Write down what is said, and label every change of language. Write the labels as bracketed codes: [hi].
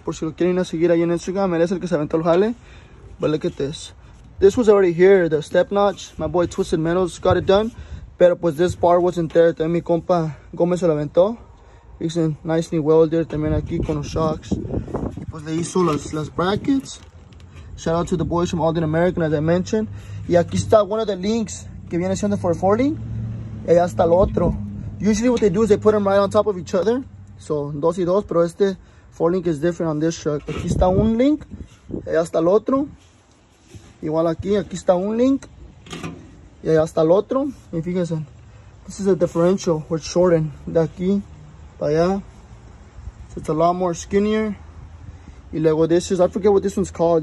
[es] Por si lo quieren a seguir ahí en Instagram, merece el que se aventó el jale. [en] But look at this. This was already here, the step notch. My boy Twisted Metals got it done. [es] Pero pues [en] this bar wasn't there. [es] También mi compa Gomez se lo aventó. [en] He's in nicely welded. [es] También aquí con los shocks. Y pues le hizo las brackets. [en] Shout out to the boys from Alden American, as I mentioned. [es] Y aquí está [en] one of the links [es] que viene siendo [en] for 40. [es] Y allá está el otro. [en] Usually what they do is they put them right on top of each other. So, [es] dos y dos, pero este [en] four link is different on this truck. [es] Aquí está un link, allá está el otro. Igual aquí está un link, y allá está el otro. Y fíjense, [en] this is a differential, we're shortened. [es] De aquí para allá, [en] so it's a lot more skinnier. [es] Y luego [en] this is, I forget what this one's called.